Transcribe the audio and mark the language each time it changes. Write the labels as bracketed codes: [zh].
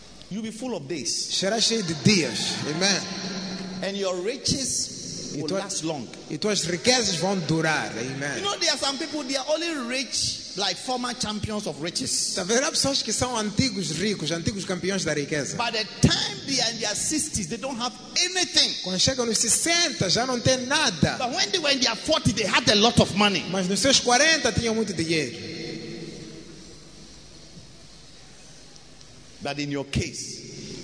[en] You'll be full of days. [pt] Será cheio de dias. Amen. [en] And your riches will last long. [pt] E tuas riquezas vão durar. Amen. [en] You know, there are some people, they are only rich like former champions of riches. [pt] Haverá pessoas que são antigos ricos, antigos campeões da riqueza. [en] By the time they are in their 60s, they don't have anything. [pt] Quando chegam nos 60, já não tem nada. [en] But when they were in their 40, they had a lot of money. [pt] Mas nos seus 40 tinham muito dinheiro. [en] But in your case,